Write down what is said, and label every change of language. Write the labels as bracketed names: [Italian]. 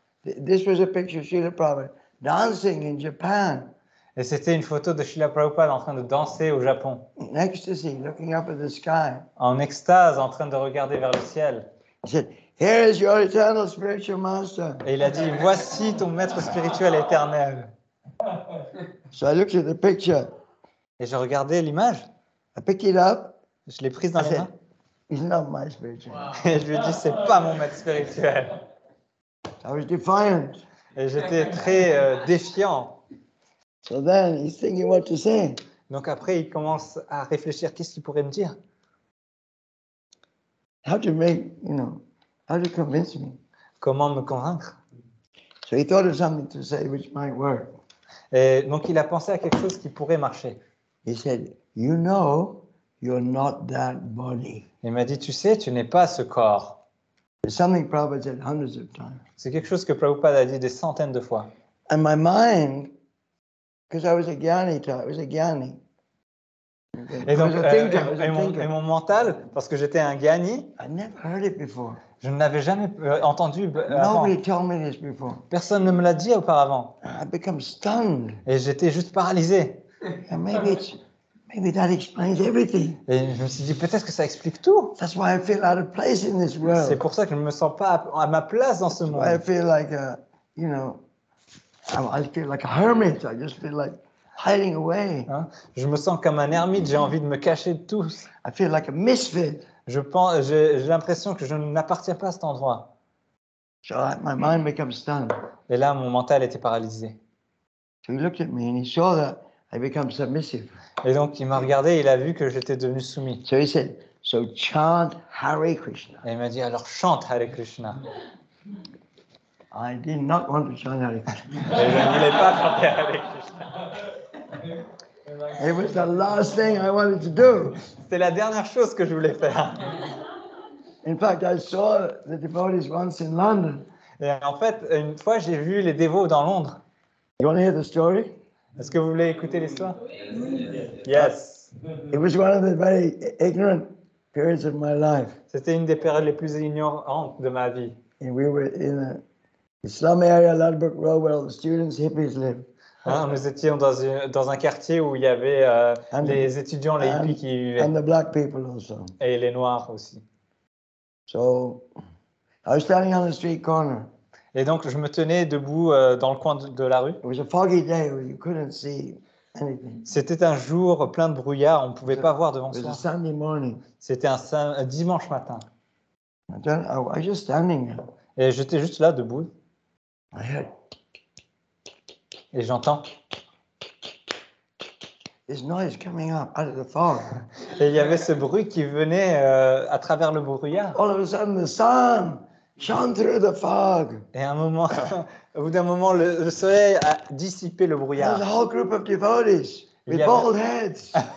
[English] This was a picture of Srila Prabhupada dancing in Japan. [French] Et c'était une photo de Srila Prabhupada en train de danser au Japon. [English] In ecstasy, looking up at the sky. [French] En extase, en train de regarder vers le ciel. [English] He said, "Here is your eternal spiritual master." [French] Et il a dit, voici ton maître spirituel éternel. [English] So I looked at the picture. [French] Et j'ai regardé l'image. [English] I picked it up. [French] Je l'ai prise dans les mains. [English] He's not my spiritual. [French] Et je lui ai dit, c'est pas mon maître spirituel. [English] I was defiant. [French] Et j'étais très défiant. [English] So then he's thinking what to say. [French] Donc après, il commence à réfléchir, qu'est-ce qu'il pourrait me dire? [English] How to make, you know, how to convince me? [French] Comment me convaincre? [English] So he thought of something to say which might work. [French] Et donc il a pensé à quelque chose qui pourrait marcher. [English] He said, "You know, you're not that body." [French] Il m'a dit, tu sais, tu n'es pas ce corps. [English] It's something Prabhupada said hundreds of times. [French] C'est quelque chose que Prabhupada a dit des centaines de fois. [English] And my mind, because I was a gyani, [French] Et donc, mon mental, parce que j'étais un gyani, je ne l'avais jamais entendu avant. Personne ne me l'a dit auparavant. Et j'étais juste paralysé. Et je me suis dit, peut-être que ça explique tout. C'est pour ça que je ne me sens pas à ma place dans ce monde. [English] Hiding away. Hein? [French] Je me sens comme un ermite, j'ai envie de me cacher de tous. [English] I feel like a misfit. [French] J'ai l'impression que je n'appartiens pas à cet endroit. [English] So my mind becomes stunned. [French] Et là, mon mental était paralysé. [English] So he looked at me and he saw that I become submissive. [French] Et donc, il m'a regardé et il a vu que j'étais devenu soumis. [English] So he said, so chant Hare Krishna. [French] Et il m'a dit, alors chante Hare Krishna. [English] I did not want to chant Hare Krishna. [French] Et je ne voulais pas chanter Hare Krishna. [English] It was the last thing I wanted to do. [French] C'était la dernière chose que je voulais faire. [English] In fact, I saw the devotees once in London. [French] Et en fait, une fois, j'ai vu les dévots dans Londres. [English] You want to hear the story? [French] Est-ce que vous voulez écouter l'histoire? Oui. [English] Yes. It was one of the very ignorant periods of my life. [French] C'était une des périodes les plus ignorantes de ma vie. [English] And we were in a slum area, Ludbrook Road, where all the students, hippies live. [French] Nous étions dans un quartier où il y avait les étudiants, les hippies qui vivaient. [English] And the black people also. [French] Et les noirs aussi. [English] So, I was standing on the street corner. [French] Et donc, je me tenais debout dans le coin de la rue. [English] It was a foggy day where you couldn't see anything. [French] C'était un jour plein de brouillard, on ne pouvait pas voir devant soi. [English] It was a Sunday morning. [French] C'était un dimanche matin. [English] I was just standing. [French] Et j'étais juste là, debout. [English] I heard... [French] Et j'entends... [English] This noise coming up out of the fog. [French] Et il y avait ce bruit qui venait à travers le brouillard. [English] All of a sudden, the sun shone through the fog. [French] Et au bout d'un moment, le soleil a dissipé le brouillard. [English] There's a whole group of devotees with bald heads.